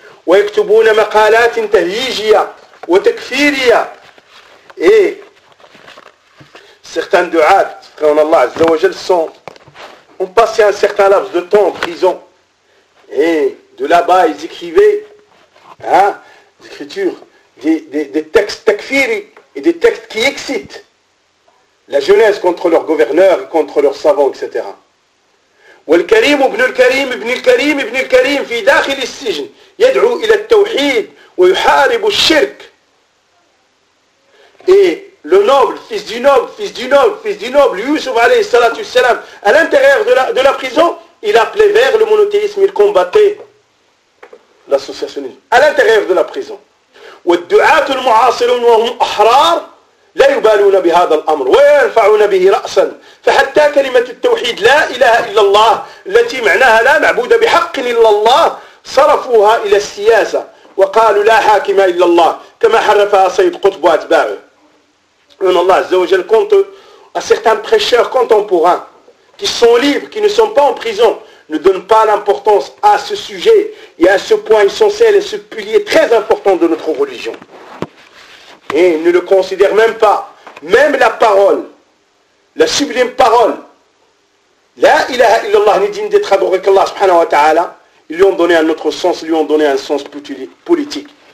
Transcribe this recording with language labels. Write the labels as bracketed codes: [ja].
[ar] ويكتبون مقالات تهيجية وتكفيرية. [fr] Et certains du'at, frère Allah Azza wa Jal, ont passé un certain laps de temps en prison. Et de là-bas, ils écrivaient, hein, l'écriture, des textes takfiri et des textes qui excitent la jeunesse contre leurs gouverneurs, contre leurs savants, etc. [ar] والكريم ابن الكريم ابن الكريم ابن الكريم في داخل السجن يدعو الى التوحيد ويحارب الشرك. [fr] Et le noble, fils du noble, fils du noble, fils du noble, Yusuf alayhi salatu salam, à l'intérieur de la prison, il appelait vers le monothéisme, il combattait l'associationnisme. À l'intérieur de la prison. [ar] والدعاة المعاصرون وهم احرار لا يبالون بهذا الأمر وينفعون به رأسا فحتى كلمة التوحيد لا إله إلا الله التي معناها لا معبود بحق إلا الله صرفوها إلى السياسة وقالوا لا حاكم إلا الله كما حرفها سيد قطب وأتباعه. إن الله عز وجل كنت [fr] à certains prêcheurs contemporains qui sont libres, qui ne sont pas en prison, ne donnent pas l'importance à ce sujet et à ce point essentiel et ce pilier très important de notre religion. Et ne le considère même pas. Même la parole, la sublime parole, La ilaha illallah ni digne d'être adoré qu'Allah subhanahu wa ta'ala, ils lui ont donné un autre sens, ils lui ont donné un sens politique.